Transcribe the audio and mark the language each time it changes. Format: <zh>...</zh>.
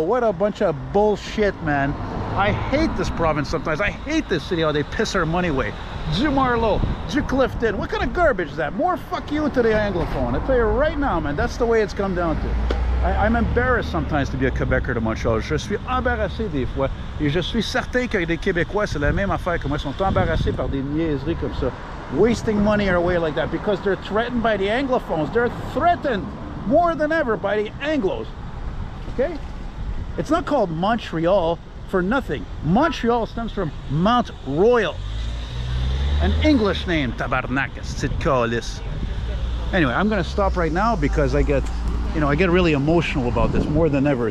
<en>What a bunch of bullshit, man. I hate this province sometimes. I hate this city, how they piss our money away. Du Marlowe, du Clifton. What kind of garbage is that? More fuck you to the Anglophone. I tell you right now, man, that's the way it's come down to. I'm embarrassed sometimes to be a Quebecer to Montreal.</en> <fr>Je suis embarrassé des fois. Et je suis certain que les Québécois, c'est la même affaire que moi. Ils sont embarrassés par des niaiseries comme ça.</fr> <en>Wasting money our way like that because they're threatened by the Anglophones. They're threatened more than ever by the Anglos. Okay? It's not called Montreal for nothing. Montreal stems from Mount Royal. An English name, Tabarnakis, Tsitkalis. Anyway, I'm gonna stop right now because I get really emotional about this more than ever.</en>